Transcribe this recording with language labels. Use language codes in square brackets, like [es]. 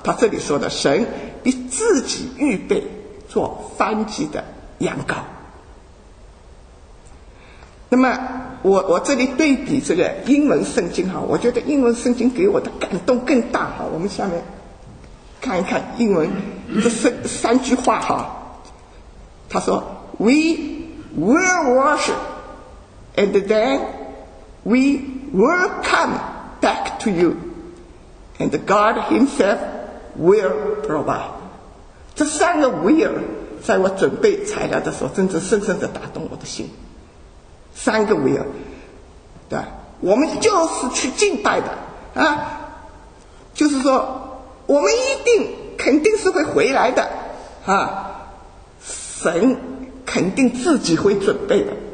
[zh] 他这里说的神必自己预备做翻祭的羊羔。那么我这里对比这个英文圣经哈，我觉得英文圣经给我的感动更大哈。我们下面看一看英文这三句话哈。他说 [en] We will worship and then we will come back to you and God himself will provide。 [zh] 这三个 will 在我准备材料的时候真正深深地打动我的心，三个 will， 对，我们就是去敬拜的啊，就是说我们一定肯定是会回来的啊，神肯定自己会准备的。